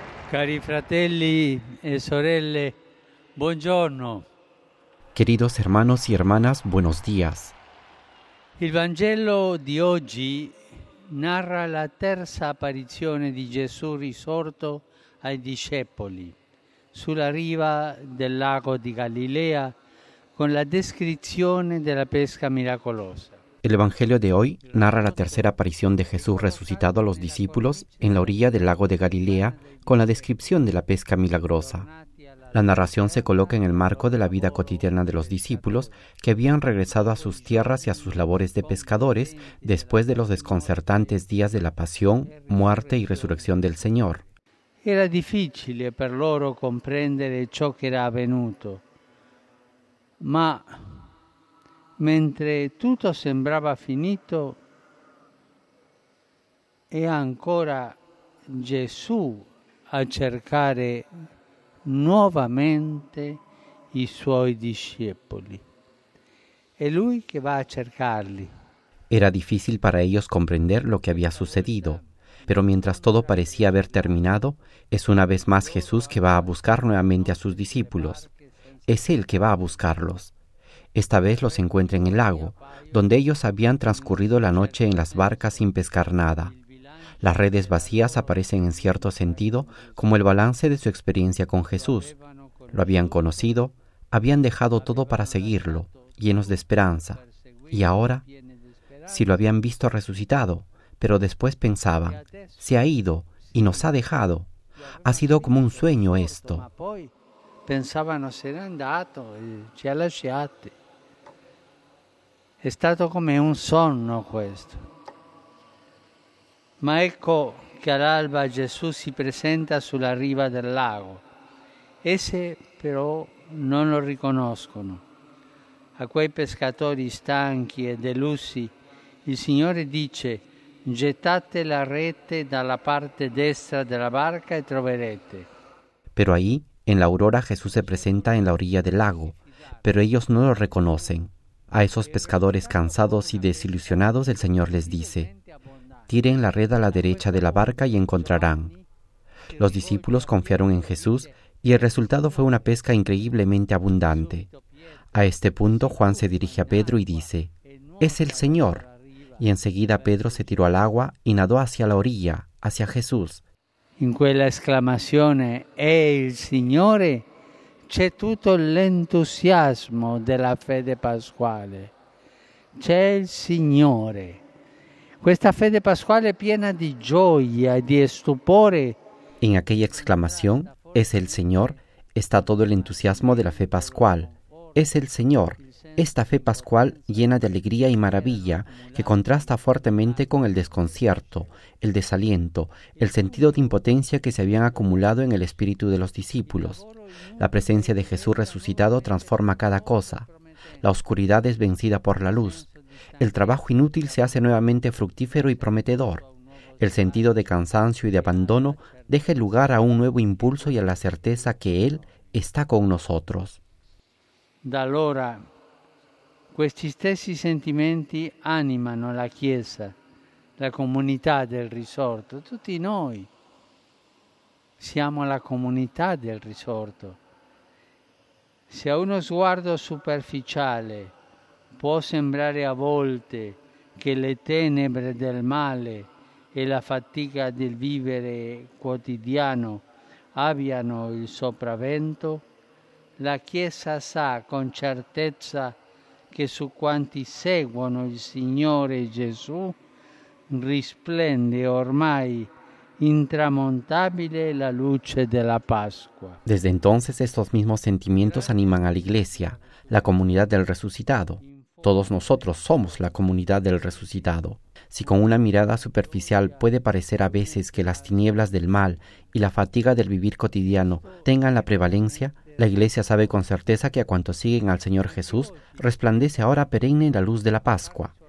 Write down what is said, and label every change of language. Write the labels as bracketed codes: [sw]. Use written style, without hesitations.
[it] Cari fratelli e sorelle, buongiorno. [es] Queridos hermanos y hermanas, buenos días. [it] Il Vangelo di oggi narra la terza apparizione di Gesù risorto ai discepoli sulla riva del lago di Galilea con la descrizione della pesca miracolosa. [es] El Evangelio de hoy narra la tercera aparición de Jesús resucitado a los discípulos en la orilla del lago de Galilea con la descripción de la pesca milagrosa. La narración se coloca en el marco de la vida cotidiana de los discípulos que habían regresado a sus tierras y a sus labores de pescadores después de los desconcertantes días de la pasión, muerte y resurrección del Señor. [it] Era [es] difícil para [it] loro comprendere ciò che era avvenuto, ma mentre tutto sembrava finito, è ancora Gesù a cercare nuovamente i suoi discepoli. È lui che va a cercarli. [es] Era difícil para ellos comprender lo que había sucedido, pero mientras todo parecía haber terminado, es una vez más Jesús que va a buscar nuevamente a sus discípulos. Es él que va a buscarlos. Esta vez los encuentra en el lago, donde ellos habían transcurrido la noche en las barcas sin pescar nada. Las redes vacías aparecen en cierto sentido como el balance de su experiencia con Jesús. Lo habían conocido, habían dejado todo para seguirlo, llenos de esperanza. Y ahora, si lo habían visto resucitado, pero después pensaban, se ha ido y nos ha dejado. Ha sido como un sueño esto. [it] Pensavano se n'è andato e ci ha lasciati. È stato come un sonno questo. Ma ecco che all'alba Gesù si presenta sulla riva del lago. Esse però non lo riconoscono. A quei pescatori stanchi e delusi, il Signore dice, gettate la rete dalla parte destra della barca e troverete. [es] Però ahí, en la aurora Jesús se presenta en la orilla del lago, pero ellos no lo reconocen. A esos pescadores cansados y desilusionados el Señor les dice, «Tiren la red a la derecha de la barca y encontrarán». Los discípulos confiaron en Jesús y el resultado fue una pesca increíblemente abundante. A este punto Juan se dirige a Pedro y dice, «Es el Señor». Y enseguida Pedro se tiró al agua y nadó hacia la orilla, hacia Jesús. [it] In quella esclamazione «È il Signore» c'è tutto l'entusiasmo della fede pasquale. C'è il Signore. Questa fede pasquale è piena di gioia e di stupore. [es] In aquella exclamación «Es el Señor» está todo el entusiasmo de la fe pascual. «Es el Señor». Esta fe pascual llena de alegría y maravilla que contrasta fuertemente con el desconcierto, el desaliento, el sentido de impotencia que se habían acumulado en el espíritu de los discípulos. La presencia de Jesús resucitado transforma cada cosa. La oscuridad es vencida por la luz. El trabajo inútil se hace nuevamente fructífero y prometedor. El sentido de cansancio y de abandono deja lugar a un nuevo impulso y a la certeza que Él está con nosotros. [it] Da allora questi stessi sentimenti animano la Chiesa, la comunità del risorto, tutti noi siamo la comunità del risorto. Se a uno sguardo superficiale può sembrare a volte che le tenebre del male e la fatica del vivere quotidiano abbiano il sopravvento, la Chiesa sa con certezza che su quanti seguono il Signore Gesù risplende ormai intramontabile la luce [es] de la Pascua. Desde entonces estos mismos sentimientos animan a la Iglesia, la comunidad del resucitado. Todos nosotros somos la comunidad del resucitado. Si con una mirada superficial puede parecer a veces que las tinieblas del mal y la fatiga del vivir cotidiano tengan la prevalencia, la Iglesia sabe con certeza que a cuantos siguen al Señor Jesús resplandece ahora perenne la luz de la Pascua.